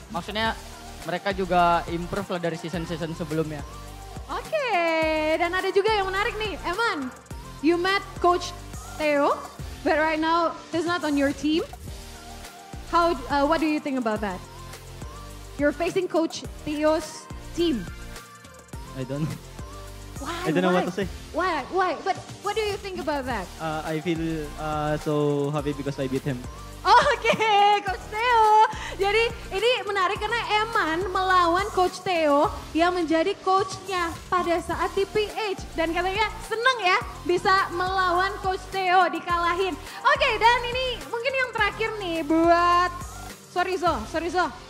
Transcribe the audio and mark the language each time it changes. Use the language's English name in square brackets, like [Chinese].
[Indonesian] Maksudnya mereka juga improve lah dari season-season sebelumnya. Oke, dan ada juga yang menarik nih, Eman. [English] You met Coach Theo, but right now he's not on your team. What do you think about that? You're facing Coach Theo's team. I don't know what to say. Why? But what do you think about that? I feel so happy because I beat him. Okay, Coach Theo. [Indonesian] Jadi ini menarik karena Eman melawan Coach Theo yang menjadi coachnya pada saat di PH. Dan katanya seneng ya bisa melawan Coach Theo dikalahin. Okay, dan ini mungkin yang terakhir nih buat Sorizo.